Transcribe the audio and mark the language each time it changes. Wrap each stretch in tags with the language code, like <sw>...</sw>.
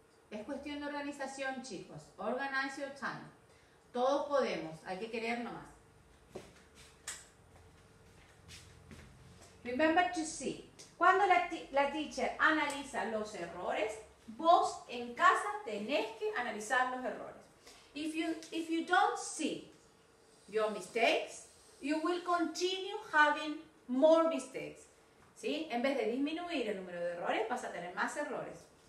<es>Es cuestión de organización, chicos.</es> <en>Organize your time.</en> <es>Todos podemos. Hay que querer nomás.</es> <en>Remember to see.</en> <es>Cuando la teacher analiza los errores, vos en casa tenés que analizar los errores.</es> <en>If you don't see your mistakes, you will continue having more mistakes.</en> <es>¿Sí? En vez de disminuir el número de errores, vas a tener más errores.</es>